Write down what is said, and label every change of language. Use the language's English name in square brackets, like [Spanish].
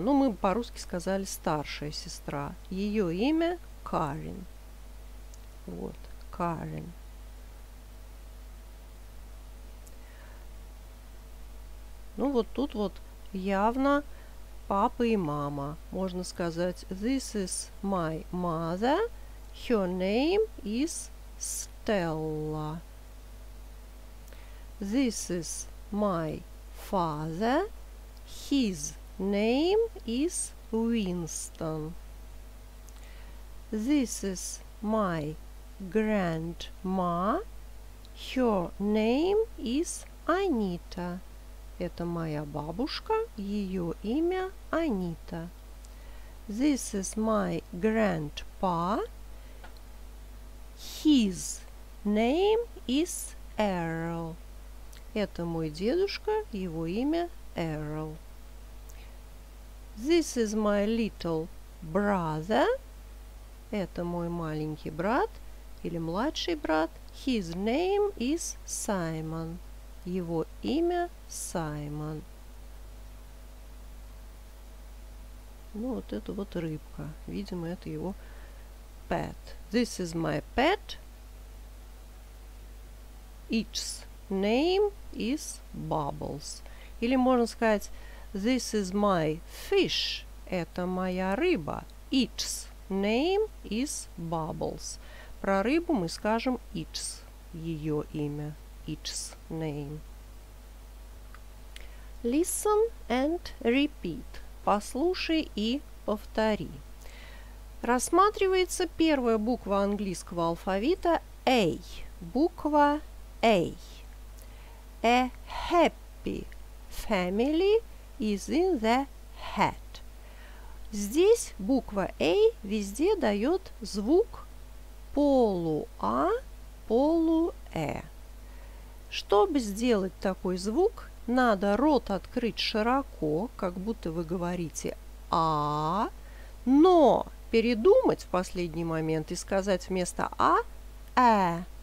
[Russian] Ну, мы по-русски сказали старшая сестра. Ее имя Карин. Вот, Карин. Ну, вот тут вот явно папа и мама. Можно сказать, [English] this is my mother. Her name is Stella. This is my father. His name is Winston. This is my grandma. Her name is Anita. [Russian] Это моя бабушка, ее имя Анита. [English] This is my grandpa. His name is Errol. [Russian] Это мой дедушка, его имя Errol. [English] This is my little brother. [Russian] Это мой маленький брат или младший брат. [English] His name is Simon. [Russian] Его имя Саймон. Ну, вот это вот рыбка. Видимо, это его pet. [English] This is my pet. Its name is Bubbles. [Russian] Или можно сказать, [English] this is my fish. [Russian] Это моя рыба. [English] Its name is Bubbles. [Russian] Про рыбу мы скажем its. Ее имя. [English] Its name. Listen and repeat. [Russian] Послушай и повтори. Рассматривается первая буква английского алфавита A. Буква A. [English] A happy family is in the hat. [Russian] Здесь буква A везде дает звук полу-а, полу-э. Чтобы сделать такой звук, надо рот открыть широко, как будто вы говорите «а», но передумать в последний момент и сказать вместо «а» «э».